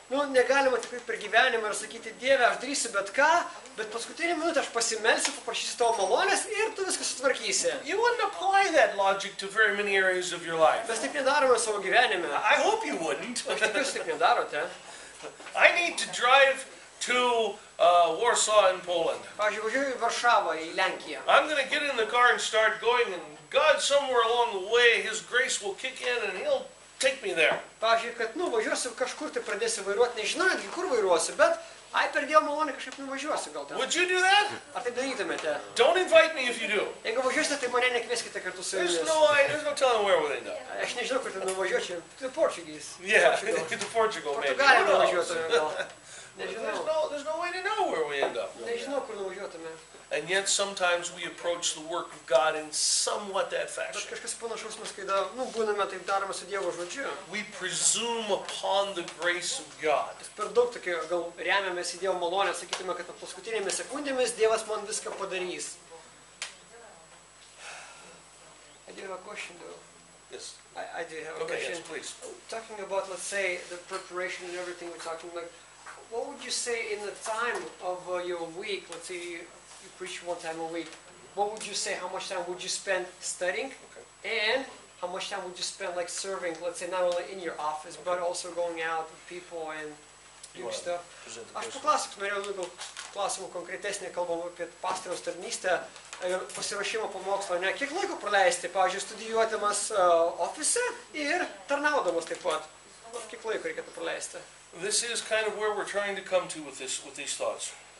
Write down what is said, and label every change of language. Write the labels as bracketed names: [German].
[Lithuanian] Nu, negalima tikrai per gyvenimą ir sakyti, Dieve, aš darysiu bet ką, bet paskutinį minutę aš pasimelsiu, paprašysiu tavo malonės ir tu viskas sutvarkysi. [English] You wouldn't apply that logic to very many areas of your life. [Lithuanian] Mes taip nedarome savo gyvenime. [English] I hope you wouldn't. [Lithuanian] Aš tikiuosi taip nedarote. [English] I need to drive to Warsaw in Poland. [Lithuanian] Pavyzdžiui, važiuoju į Varšavą, į Lenkiją. [English] I'm going to get in the car and start going, and God somewhere along the way, His grace will kick in and He'll take me there. [Lithuanian] Pavyzdžiui, kad nu važiuosiu kažkur, tai pradėsiu vairuoti, nežinau netgi kur vairuosiu, bet ai per Dievo malonę kažkaip nuvažiuosiu gal ten. [English] Would you do that? [Lithuanian] Ar tai darytumėte? [English] Don't invite me if you do. [Lithuanian] Jeigu važiuosite, tai mane nekvieskite kartu su jumis. [English] There's no telling where we'll end up. [Lithuanian] Aš nežinau, kur ten nuvažiuosiu. [English] To Portuguese. Yeah, to Portugal maybe. [Lithuanian] Portugalė nuvažiuosiu gal. [English] There's no way to know where we end up. [Lithuanian] Nežinau, kur nuvažiuotume. [English] And yet sometimes we approach the work of God in somewhat that fashion. [Lithuanian] Bet kažkas panašaus mes, kai nu, būname taip darome su Dievo žodžiu. [English] We presume upon the grace of God. [Lithuanian] Per daug tokio, gal remiamės į Dievo malonę, sakytume, kad paskutinėmis sekundėmis Dievas man viską padarys. [English] I do have a question though. Yes. I do have a question. Okay, yes, please. Talking about, let's say, the preparation and everything we're talking about, what would you say in the time of your week, let's say you preach one time a week, what would you say, how much time would you spend studying, okay, and how much time would you spend like serving, let's say not only in your office, okay, but also going out with people and doing stuff? [Lithuanian] Aš paklausiu, norėjau daugiau klausimų konkretesnį, kalbam apie pastoriaus tarnystę ir pasiruošimą po mokslo, ne, kiek laiko praleisti, pavyzdžiui, studijuodamas ofise ir tarnaudamas taip pat, kiek laiko reikėtų praleisti? [English] This is kind of where we're trying to come to with these thoughts.